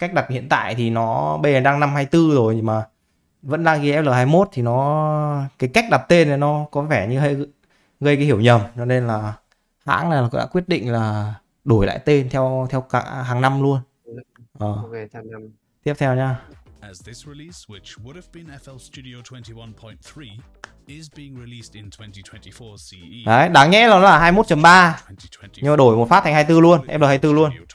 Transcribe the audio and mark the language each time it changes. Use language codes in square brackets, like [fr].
[vi] Cách đặt hiện tại thì nó bây giờ đang năm 24 rồi nhưng mà vẫn đang ghi FL21, thì nó cái cách đặt tên này nó có vẻ như hơi gây cái hiểu nhầm, cho nên là hãng này đã quyết định là đổi lại tên theo theo cả hàng năm luôn. Ok, tham năm. Tiếp theo nha. [en] As this release, which would have been FL Studio 21.3, is being released in 2024 CE. [vi] Đấy, đáng nhẽ nó là 21.3 nhưng mà đổi một phát thành 24 luôn, FL24 luôn.